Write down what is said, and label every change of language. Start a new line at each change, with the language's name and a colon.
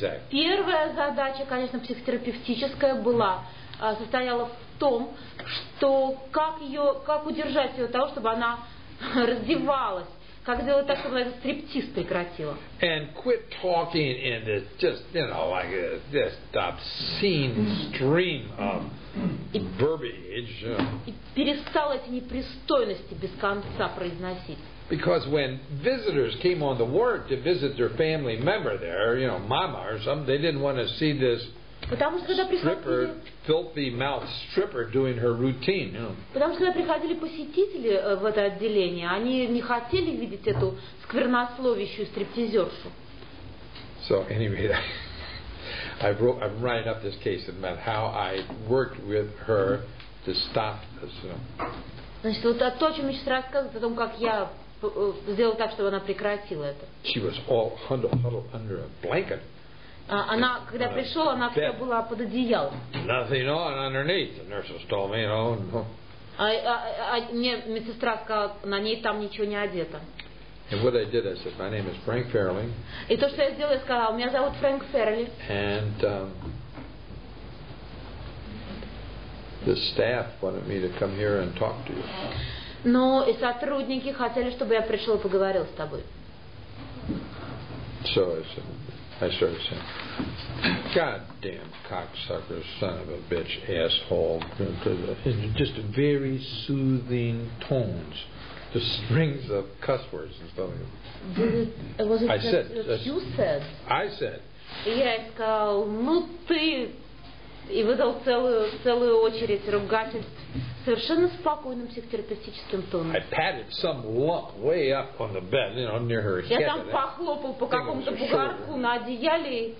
Russian: Первая задача, конечно, психотерапевтическая была, состояла в том, что как удержать ее того, чтобы она раздевалась, как сделать так, чтобы она этот стриптиз прекратила.
English: And quit talking in this just, you know, like this obscene stream of verbiage.
Russian: И перестала эти непристойности без конца произносить.
English: Because when visitors came on the ward to visit their family member there, you know, mama or something, they didn't want to see this stripper, filthy mouth stripper doing her routine. You know.
Russian: Потому что когда приходили посетители в это отделение, они не хотели видеть эту сквернословящую стриптизершу.
English: So anyway, I'm writing up this case about how I worked with her to stop this. You know.
Russian: Значит, вот о том, о чем я сейчас рассказываю, о том, как я сделал так, чтобы она прекратила это.
English: She was all huddled under a blanket.
Russian: Она, когда пришел, она вся была под одеялом.
English: Nothing on underneath, the nurses told me, you know.
Russian: Мне медсестра сказала, на ней там ничего не одето.
English: And what I did, I said, my name is Frank Farrelly.
Russian: И то, что я сделала, я сказала, меня зовут Фрэнк Фэрли.
English: And the staff wanted me to come here and talk to you.
Russian: Ну, и сотрудники хотели, чтобы я пришел и поговорил с тобой.
English: So I said, I started saying, "God damn cocksucker, son of a bitch, asshole!" In just very soothing tones, the strings of cuss words and stuff. I said, "I said,
Russian: ну ты, и выдал целую очередь ругательств совершенно спокойным психотерапевтическим тоном.
English: I patted some lump way up on the bed, you know, near her head.
Russian: Я там похлопал по какому-то бугорку на одеяле.